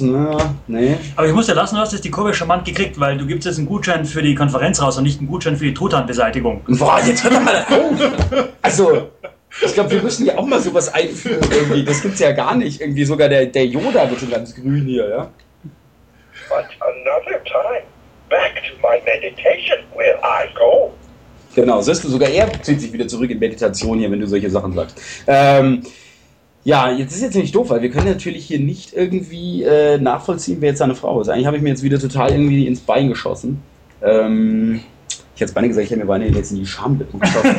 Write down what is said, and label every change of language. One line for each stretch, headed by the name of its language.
German: Na, nee. Aber ich muss ja lassen, du hast jetzt die Kurve charmant gekriegt, weil du gibst jetzt einen Gutschein für die Konferenz raus und nicht einen Gutschein für die Truthahnbeseitigung. Boah, jetzt hör doch mal auf! Also, ich glaube, wir müssen ja auch mal sowas einführen irgendwie. Das gibt's ja gar nicht. Irgendwie sogar der Yoda wird schon ganz grün hier, ja?
English: But another time, back to my meditation will I go.
German: Genau, siehst du, sogar er zieht sich wieder zurück in Meditation hier, wenn du solche Sachen sagst. Ja, jetzt ist jetzt nicht doof, weil wir können natürlich hier nicht irgendwie nachvollziehen, wer jetzt seine Frau ist. Eigentlich habe ich mir jetzt wieder total irgendwie ins Bein geschossen. Ich hätte es beinahe gesagt, ich hätte mir beinahe jetzt in die Schamlippen geschossen.